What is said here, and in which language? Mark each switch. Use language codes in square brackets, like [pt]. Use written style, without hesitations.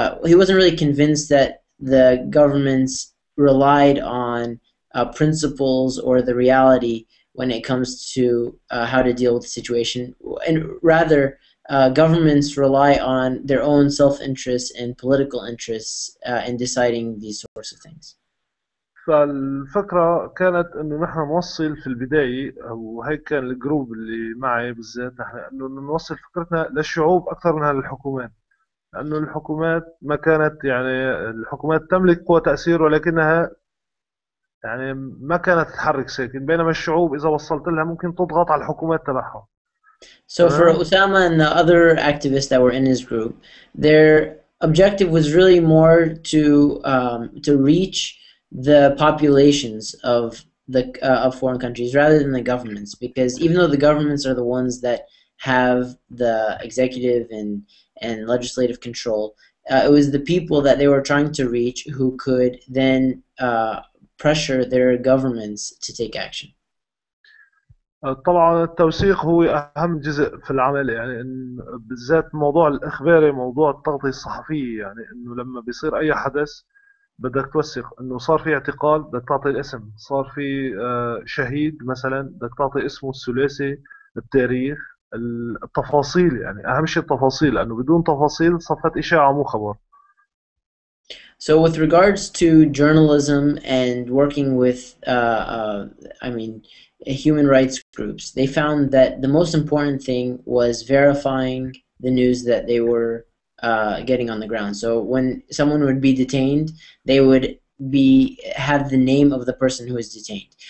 [en] he wasn't really convinced that the governments relied on principles or the reality when it comes to how to deal with the situation, and rather governments rely on their own self-interest and political interests in deciding these sorts of things. [ar] فالفكرة كانت انه نحن نوصل في البداية، وهي كان الجروب اللي معي بالذات، نحن انه نوصل فكرتنا للشعوب اكثر منها للحكومات، لانه الحكومات ما كانت، يعني الحكومات تملك قوة تأثير ولكنها يعني ما كانت تتحرك ساكن، بينما الشعوب اذا وصلت لها ممكن تضغط على الحكومات تبعها. [en] So for Osama and the other activists that were in his group, their objective was really more to reach the populations of the of foreign countries rather than the governments, because even though the governments are the ones that have the executive and legislative control, it was the people that they were trying to reach who could then pressure their governments to take action. [ar] طبعا التوثيق هو اهم جزء في العمل، يعني بالذات موضوع الاخباري، موضوع التغطية الصحفية، يعني انه لما بيصير اي حدث بدك توثق انه صار في اعتقال، بدك تعطي الاسم، صار في شهيد مثلا بدك تعطي اسمه، الثلاثي، التاريخ، التفاصيل، يعني اهم شيء التفاصيل، لانه بدون تفاصيل صفت اشاعه مو خبر. [en] So with regards to journalism and working with I mean human rights groups, they found that the most important thing was verifying the news that they were getting on the ground. So when someone would be detained, they would be have the name of the person who is detained.